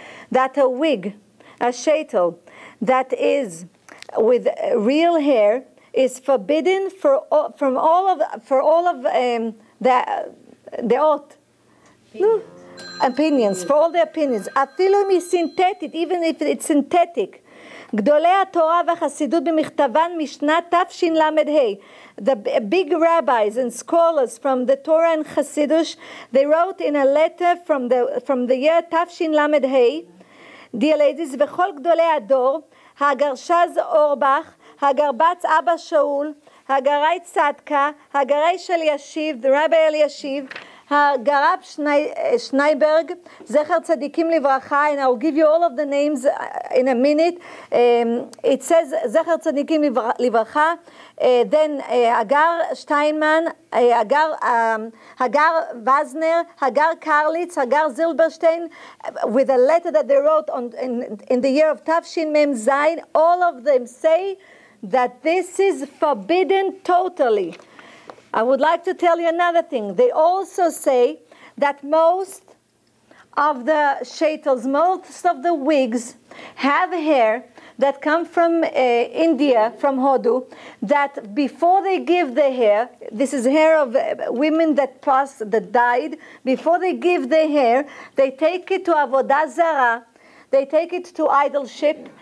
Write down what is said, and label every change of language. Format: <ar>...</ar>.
<en>That a wig, a shetel, that is with real hair, is forbidden for all the opinions. Afilu mi synthetic, even if it's synthetic. גדולי התורה והחסידות במכתבן משנה תפשין למד ה' The big rabbis and scholars from the Torah and Chassidus, they wrote in a letter from the year תפשין למד ה'</en> <he>Dear ladies, וכל גדולי הדור, הגרשז אורבך, הגרבץ אבא שאול, הגרי צדקה, הגרי של ישיב, the rabbi אל ישיב, הגרב שנייברג, זכר צדיקים לברכה, and I'll give you all of the names in a minute.</he> <en>It says, זכר צדיקים לברכה, then הגר שטיינמן, הגר וזנר, הגר קרליץ, הגר זילברשטיין, with a letter that they wrote in the year of תפשין מם זין, all of them say that this is forbidden totally. I would like to tell you another thing. They also say that most of the shetels, most of the wigs have hair that come from India, from Hodu, that before they give the hair, this is hair of women that passed, that died, before they give the hair, they take it to Avodah Zarah, they take it to idolship.</en>